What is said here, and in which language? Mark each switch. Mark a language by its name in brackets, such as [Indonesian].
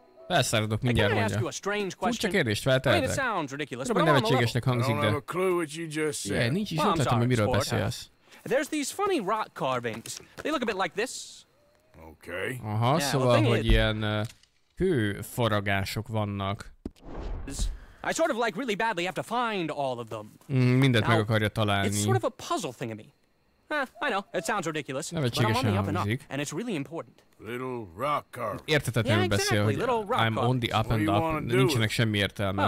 [Hungarian] Elszáradok mindjárt, mondja. Furcsa kérdést feltehetek. Tudom, hogy nevetségesnek hangzik, de... [English] Yeah, [Hungarian] nincs is ötletem, hogy miről beszélsz. [English] There's these funny rock carvings. They look a bit like this. Okay. [Hungarian] Aha, yeah, szóval, well, hogy ilyen hő faragások vannak. [English] I sort of like really badly have to find all of them. [Hungarian] Mindent meg akarja találni. [English] It's sort of a puzzle thing of me. I know, it sounds ridiculous. But I'm on the up and up, and it's really important. Little rock carving. [Hungarian] Értetetlenül beszél, hogy [English] I'm on the up and up. [Hungarian] Nincsenek semmi értelme.